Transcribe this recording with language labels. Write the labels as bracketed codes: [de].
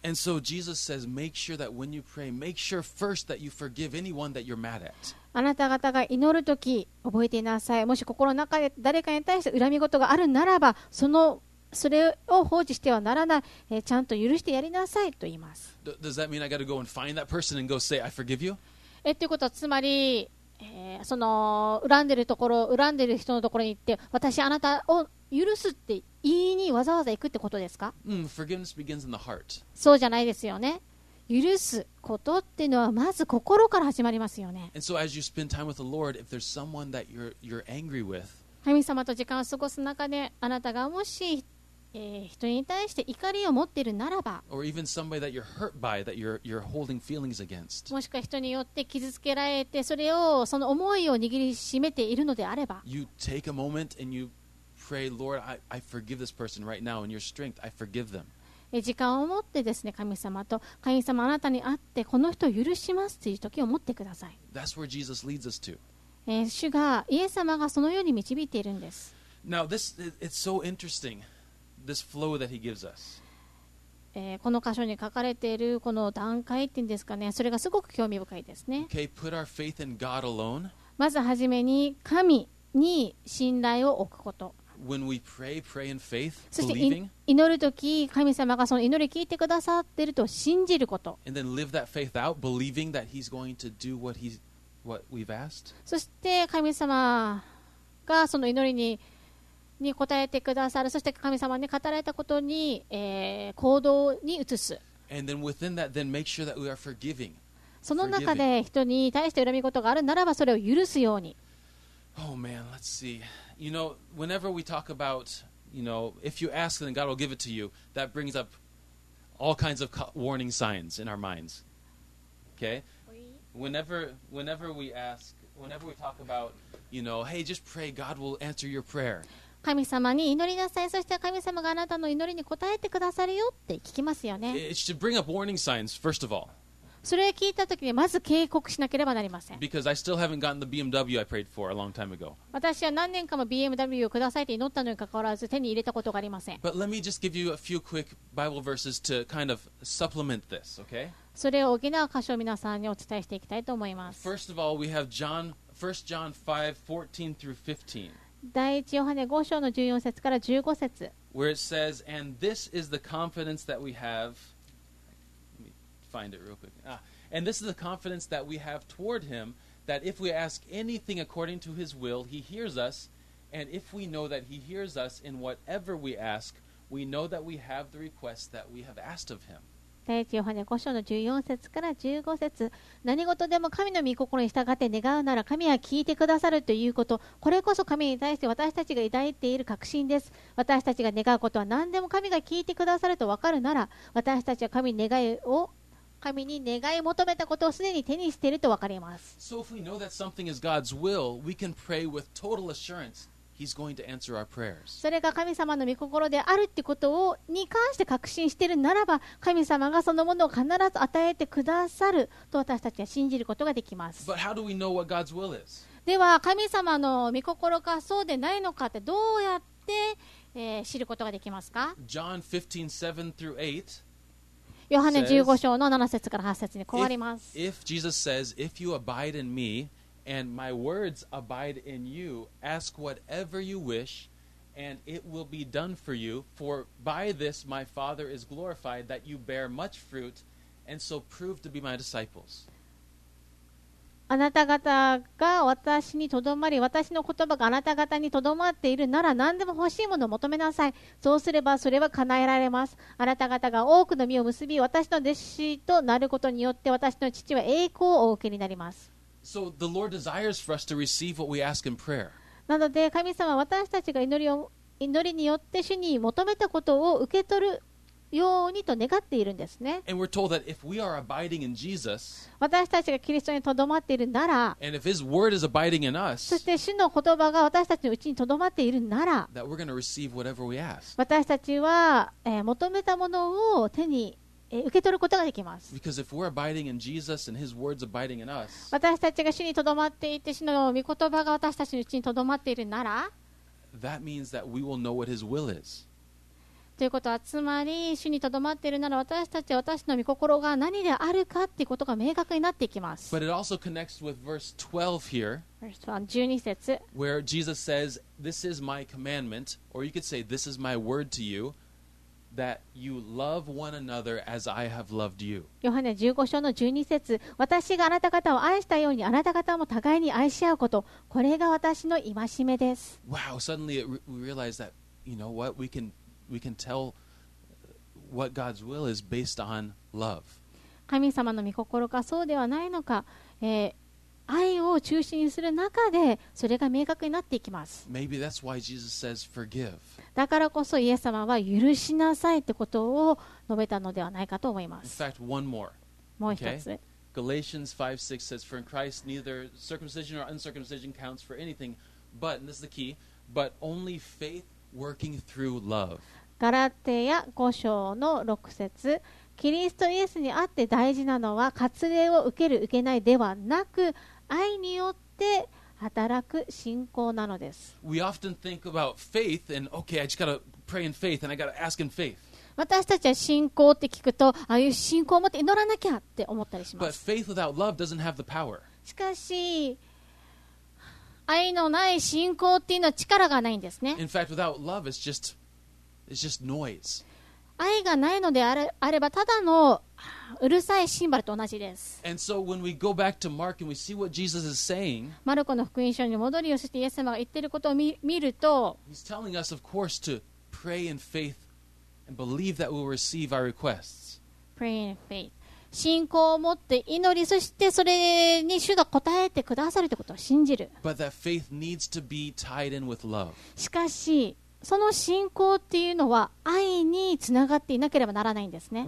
[en] And so Jesus says, make sure that when you pray, make sure first that you forgive anyone that you're mad at. [ja] あなた方が祈るとき覚えていなさい。もし心の中で誰かに対して恨み事があるならば、そのそれを放置してはならない。ちゃんと許してやりなさいと言います。 [en] Does that mean I gotta go and find that person and go say I forgive you? [ja] ということはつまり、その恨んでるところ、恨んでる人のところに行って私あなたを許すって言いにわざわざ行くってことですか？ [en] Forgiveness begins in the heart. [ja] そうじゃないですよね。許すことっていうのはまず心から始まりますよね。 [en] And so as you spend time with the Lord, if there's someone that you're angry with, [ja] 神様と時間を過ごす中で、あなたがもし、人に対して怒りを持っているならば、もしくは人によって傷つけられて、それをその思いを握りしめているのであれば、 [en] You take a moment and you pray, Lord, I forgive this person right now in your strength. I forgive them. [ja] 時間を持ってですね、神様と、神様あなたに会ってこの人を許しますという時を持ってください。 [en] That's where Jesus leads us to. [ja] 主がイエス様がそのように導いているんです。 [en] Now this, it's so interesting, this flow that he gives us. [ja] この箇所に書かれているこの段階っていうんですかね、それがすごく興味深いですね。 [en] Okay, put our faith in God alone. [ja] まずはじめに神に信頼を置くこと。 [en] When we pray, pray in faith, [ja] そして祈るとき神様がその祈り聞いてくださっていると信じること。 [en] And then live that faith out, believing that he's going to do what he'sWhat we've asked. [ja] そして神様がその祈り に答えてくださる。そして神様に語られたことに、行動に移す。 [en] And then within that, then make sure that we are forgiving. [ja] その中で人に対して恨み事があるならば、それを許すように。 [en] Oh man, let's see. You know, whenever we talk about, you know, if you ask, then God will give it to you. That brings up all kinds of warning signs in our minds. Okay. Whenever we talk about, you know, hey, just pray, God will answer your prayer. [ja] 神様に祈りなさい。そして神様があなたの祈りに答えてくださるよって聞きますよね。 [en] It should bring up warning signs, first of all. [ja] それを聞いた時にまず警告しなければなりません。 [en] Because I still haven't gotten the BMW I prayed for a long time ago. [ja] 私は何年かも BMW をくださいって祈ったのに関わらず手に入れたことがありません。 [en] But let me just give you a few quick Bible verses to kind of supplement this, okay? [ja] それを補う箇所を皆さんにお伝えしていきたいと思います。 [en] First of all, we have John, 1 John 5, 14 through 15. [ja] 第1ヨハネ5章の14節から15節。 [en] Where it says, and this is the confidence that we have. Let me find it real quick. And this is the confidence that we have toward him, that if we ask anything according to his will, he hears us. And if we know that he hears us in whatever we ask, we know that we have the request that we have asked of him. [ja] 第1ヨハネ5章の14節から15節。何事でも神の御心に従って願うなら神は聞いてくださるということ、これこそ神に対して私たちが抱いている確信です。私たちが願うことは何でも神が聞いてくださると分かるなら、私たちは神に願い求めたことをすでに手にしていると分かります。 [en] So if we know that something is God's will, we can pray with total assuranceHe's going to answer our prayers. [ja] それが神様の御心であるってことをに関して確信しているならば、神様がそのものを必ず与えてくださると私たちは信じることができます。 [en] But how do we know what God's will is? [ja] では神様の御心かそうでないのかってどうやって、知ることができますか？ [en] John 15, 7 through 8 [ja] ヨハネ15章の7節から8節にこうあります。 [en] If Jesus says, if you abide in me,And my words abide in you. Ask whatever you wish, and it will be done for you. For by this my Father is glorified, that you bear much fruit, and so prove to be my disciples. [ja] あなた方が私にとどまり、私の言葉があなた方にとどまっているなら、何でも欲しいものを求めなさい。そうすればそれは叶えられます。あなた方が多くの実を結び、私の弟子となることによって、私の父は栄光をお受けになります。 [en] So the Lord desires for us to receive what we ask in prayer. [ja] なので、神様は私たちが祈りによって主に求めたことを受け取るようにと願っているんですね。 [en] And we're told that if we are abiding in Jesus, [ja] 私たちがキリストにとどまっているなら、 [en] and if his word is abiding in us, [ja] そして主の言葉が私たちのうちにとどまっているなら、 [en] that we're going to receive whatever we ask. [ja] 私たちは、求めたものを手に、受け取ることができます。 [en] Because if we're abiding in Jesus and his word's abiding in us, [ja] 私たちが主にとどまっていて、主の御言葉が私たちのうちにとどまっているなら、 [en] that means that we will know what his will is. [ja] ということは、つまり主にとどまっているなら、私たちは私の御心が何であるかということが明確になっていきます。 [en] But it also connects with verse 12 here. Verse 12, 12 Where Jesus says, This is my commandment, or you could say, This is my word to you, that you love one another as I have loved you. [ja] ヨハネ15章の12節、私があなた方を愛したようにあなた方も互いに愛し合うこと、これが私の戒めです。 [en] Wow, suddenly we realize that, you know what, we can tell what God's will is based on love. [ja] 神様の御心かそうではないのか、愛を中心にする中でそれが明確になっていきます。 [en] Maybe that's why Jesus says forgive. [ja] だからこそイエス様は許しなさいってことを述べたのではないかと思います。 [en] In fact, one more. [ja] もう一つ。 [en] Okay? Galatians 5:6 says, For in Christ neither circumcision nor uncircumcision counts for anything, but, and this is the key, but only faithWorking through love. [ja] ガラテヤ5章の6節、キリストイエスにあって大事なのは、割礼を受ける受けないではなく、愛によって働く信仰なのです。 [en] We often think about faith and okay, I just gotta pray in faith and I gotta ask in faith. [ja] 私たちは信仰って聞くと、ああいう信仰を持って祈らなきゃって思ったりします。 [en] But faith without love doesn't have the power. [ja] しかし、愛のない信仰っていうのは力がないんですね。 [en] In fact, without love, it's just noise. [ja] 愛がないのであれば、ただのうるさいシンバルと同じです。 [en] And so when we go back to Mark and we see what Jesus is saying, [ja] マルコの福音書に戻りを、そしてイエス様が言っていることを見ると、 [en] He's telling us, of course, to pray in faith and believe that we'll receive our requests. Pray in faith. [ja] 信仰を持って祈り、そしてそれに主が答えてくださるということを信じる。 [en] But that faith needs to be tied in with love. [ja] しかし、その信仰っていうのは愛につながっていなければならないんですね。